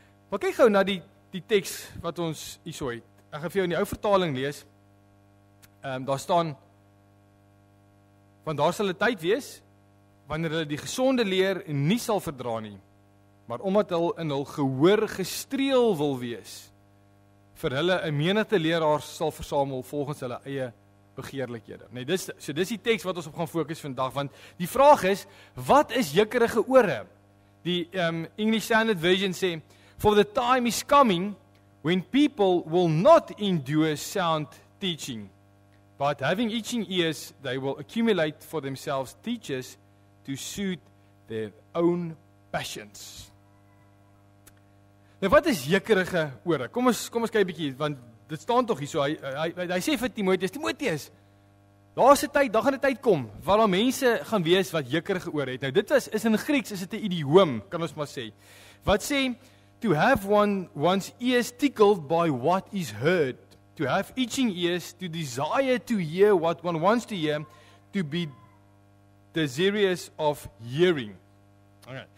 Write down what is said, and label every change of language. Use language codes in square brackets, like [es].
[af] Maar kyk gauw na die tekst wat ons hier so het, ek gaan vir jou in die ou vertaling lees, daar staan, want daar sal die tyd wees, wanneer hulle die gesonde leer nie sal verdra nie, maar omdat hulle in hulle gehoor gestreel wil wees, vir hulle een menigte leraars sal versamel volgens hulle eie begeerlikhede. Nee, dis die tekst wat ons op gaan fokus vandag, want die vraag is, wat is jikkerige oore? Die English Standard Version sê, [en] for the time is coming when people will not endure sound teaching, but having itching ears, they will accumulate for themselves teachers to suit their own passions. [af] Nou wat is jikkerige oore? Kom ons kyk 'n bietjie, want dit staan toch hier so, hy sê vir Timoteus, laaste tyd, daar gaan die tyd kom, waar al mense gaan wees wat jikkerige oore het. Nou dit is in Grieks, is dit 'n idioom, kan ons maar sê. Wat sê, [en] to have one's ears tickled by what is heard, to have itching ears, to desire to hear what one wants to hear, to be desirous of hearing. Okay.